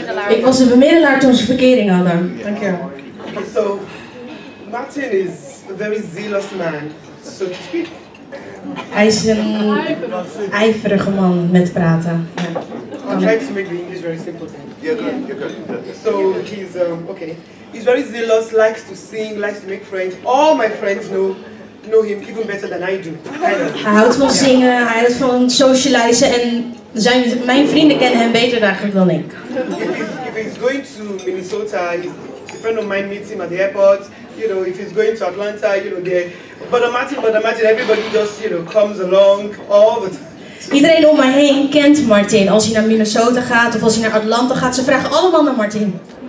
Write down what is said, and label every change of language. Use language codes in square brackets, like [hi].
[nl] Ik was een bemiddelaar toen ze verkering hadden. Dank je wel. [en] So, Martin is a very zealous man, so to speak. [nl] Hij is een ijverige man met praten. [en] I'll try to make the English very simple. You're good. So, he's okay. He's very zealous, likes to sing, likes to make friends. All my friends know him even better than I do. [nl] Hij houdt van zingen, hij houdt van socializen en mijn vrienden kennen hem beter dan ik. [en] If he's going to Minnesota, a friend of mine meets him at the airport. You know, if he's going to Atlanta, you know, there. But imagine everybody just, you know, comes along all the time. [nl] Iedereen om mij heen kent Martin. Als hij naar Minnesota gaat of als hij naar Atlanta gaat, ze vragen allemaal naar Martin.